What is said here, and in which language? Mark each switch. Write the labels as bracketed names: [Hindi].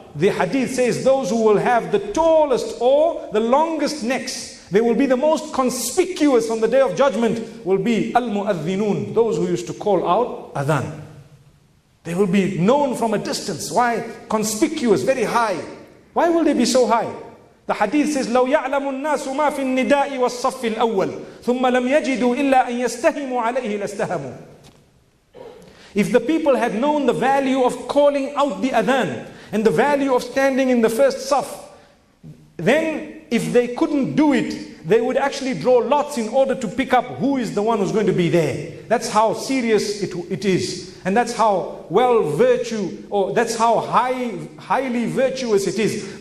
[English] The hadith says those who will have the tallest or the longest necks, they will be the most conspicuous on the day of judgment, will be al-muadhinun, those who used to call out adhan. They will be known from a distance. Why? Conspicuous, very high. Why will they be so high? [Arabic] The hadith says, لَوْ يَعْلَمُ النَّاسُ مَا فِي النِّدَاءِ وَالصَّفِّ الْأَوَّلِ ثُمَّ لَمْ يَجِدُوا إِلَّا أَن يَسْتَهِمُوا عَلَيْهِ لَاسْتَهَمُوا. [English] If the people had known the value of calling out the adhan and the value of standing in the first saf, then if they couldn't do it, they would actually draw lots in order to pick up who is the one who's going to be there. That's how serious it is. And that's how well virtue, or that's how highly virtuous it is.